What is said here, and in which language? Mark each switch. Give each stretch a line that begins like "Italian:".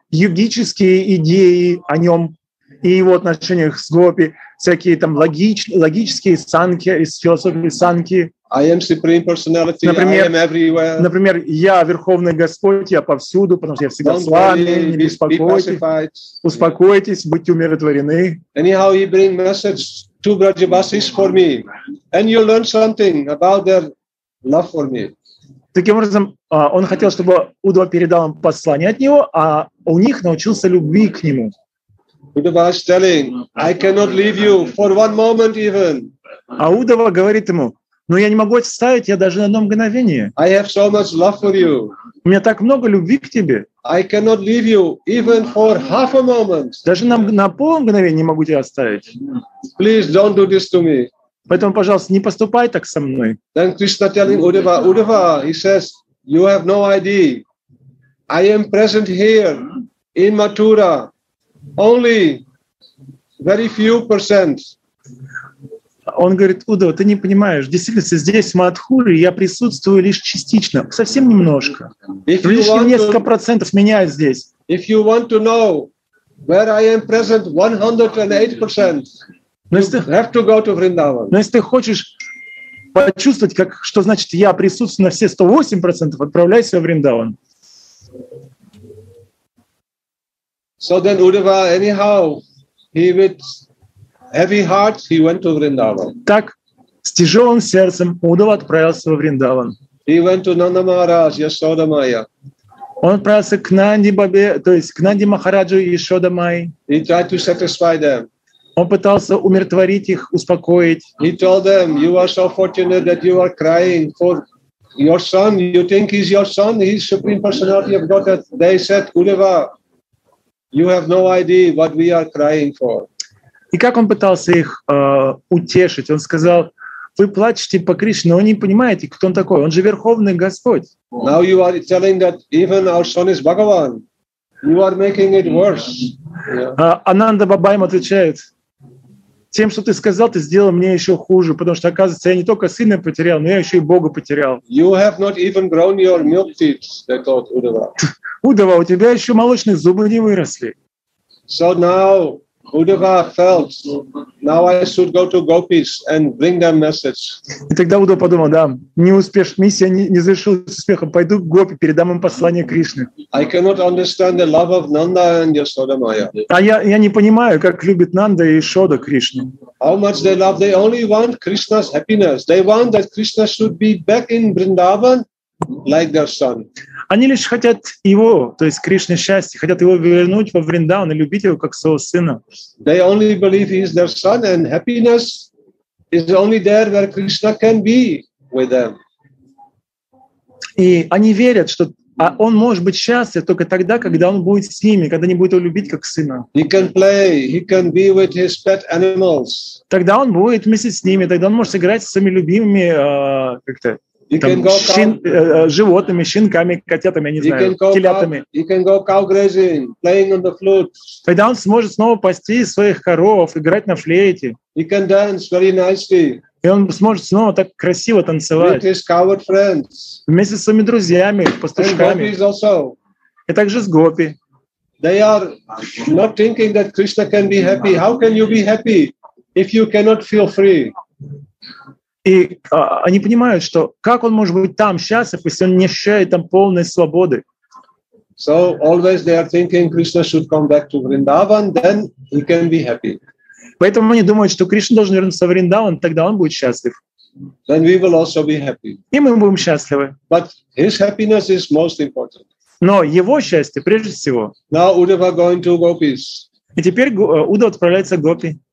Russian: Йогические идеи о нем и его отношениях с гопи, всякие там логические санки из философии санки.
English: I am supreme personality.
Russian: Например,
English: I am everywhere.
Russian: Например, я верховный господь, я повсюду, потому что я всегда
English: Don't
Russian: с вами.
English: Worry,
Russian: не беспокойтесь. Успокойтесь, yeah. Будьте умиротворены.
English: Anyhow, he bring message to Brajavasis for me, and you learn something about their love for me.
Russian: Таким образом, он хотел, чтобы Уддхава передал им послание от него, а у них научился любви к нему.
English: Уддхава is telling, I cannot leave you for one moment even.
Russian: А Уддхава говорит ему, ну я не могу оставить тебя даже на одно мгновение.
English: I have so much love for you.
Russian: У меня так много любви к тебе.
English: I cannot leave you even for half a moment.
Russian: Даже на пол мгновения не могу тебя оставить.
English: Please don't do this to me.
Russian: Поэтому, пожалуйста, не поступай так со мной.
English: Then Krishna telling Uddhava, Uddhava, he says, you have no idea. I am present here in Mathura, only very few percent.
Russian: Он говорит, Уддхава, ты не понимаешь, действительно, здесь, в Матхуре, я присутствую лишь частично, совсем немножко. Лишь несколько процентов меня здесь.
English: If you want to know where I am present 108%,
Russian: Но если ты хочешь почувствовать, как, что значит я присутствую на все 108%, отправляйся в Вриндаван.
English: So then Uddhava, anyhow, he with heavy heart, he went to Vrindavan.
Russian: Так, с тяжелым сердцем Уддхава отправился в Вриндаван.
English: He went to Nanda Maharaj, Yashoda Maya.
Russian: Он отправился к Нанди Бабе, то есть к Нанди Махараджу и Yashoda Mai.
English: He tried to satisfy them.
Russian: Он пытался умиротворить их, успокоить.
English: He told them, you are so fortunate that you are crying for your son. You think he's your son? He's supreme personality of Godhead. They said, Uddhava, you have no idea what we are crying for.
Russian: И как он пытался их утешить? Он сказал: вы плачете по Кришне, но вы не понимаете, кто он такой. Он же Верховный Господь.
English: Now you are telling that even our son is Bhagavan. You are making it worse.
Russian: Ананда Баба им отвечает: тем, что ты сказал, ты сделал мне еще хуже, потому что, оказывается, я не только сына потерял, но я еще и Бога потерял.
English: You have not even grown your milk teeth, they thought, Uddhava.
Russian: Uddhava, у тебя еще молочные зубы не выросли.
English: So now Uddhava felt, now I should go to gopis and bring them message.
Russian: И тогда Uddhava подумал: да, неуспешная миссия не завершилась успехом, пойду к гопи, передам им послание Кришны.
English: I cannot understand the love of Nanda and Yashoda Maya.
Russian: А я не понимаю, как любит Нанда и Ешода Кришну.
English: How much they love, they only want Krishna's happiness. They want that Krishna should be back in Vrindavan like their son.
Russian: Они лишь хотят его, то есть Кришны счастья, хотят его вернуть во Вриндаван и любить его как своего сына.
English: They only believe he is their son, and happiness is only there where Krishna can be with them.
Russian: И они верят, что он может быть счастлив только тогда, когда он будет с ними, когда они будут его любить как сына.
English: He can play, he can be with his pet animals.
Russian: Тогда он будет вместе с ними, тогда он может играть со своими любимыми как-то. Животными, щенками, котятами, я не знаю, телятами.
English: He can go cow grazing, playing on the flute.
Russian: Тогда он сможет снова пасти своих коров, играть на флейте.
English: He can dance very nicely.
Russian: И он сможет снова так красиво танцевать.
English: With his cowherd friends.
Russian: Вместе с своими друзьями, пастушками.
English: And gopis also.
Russian: И также с гопи.
English: They are not thinking that Krishna can be happy. How can you be happy if you cannot feel free?
Russian: И они понимают, что как он может быть там счастлив, если он не ощущает там полной свободы.
English: So always they are thinking Krishna should come back to Vrindavan, then he can be happy.
Russian: Поэтому они думают, что Кришна должен вернуться в Вриндаван, тогда он будет счастлив.
English: Then we will also be happy.
Russian: И мы будем счастливы.
English: But his happiness is most important.
Russian: Но его счастье прежде всего.
English: Now Uddhava going to gopis.
Russian: И теперь Уддхава отправляется к гопи.